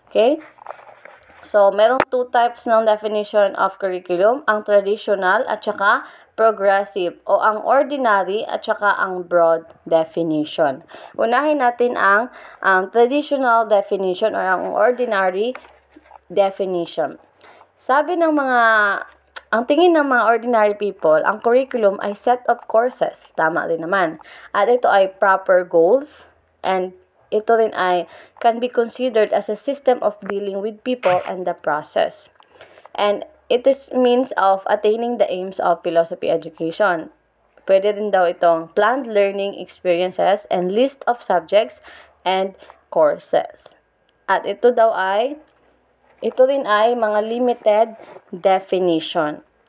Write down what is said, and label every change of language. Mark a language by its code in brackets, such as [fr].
[tl] Okay? So, merong 2 types ng definition of curriculum, ang traditional at saka progressive, o ang ordinary at saka ang broad definition. Unahin natin ang traditional definition or ang ordinary definition. Sabi ng mga, ang tingin ng mga ordinary people, ang curriculum ay [en] set of courses. [tl] Tama rin naman. At ito ay proper goals. [en] And [tl] ito rin ay [en] can be considered as a system of dealing with people and the process. And it is means of attaining the aims of philosophy education. [tl] Pwede rin daw itong [en] planned learning experiences and list of subjects and courses. [tl] At ito daw ay, ito rin ay mga [en] limited definition.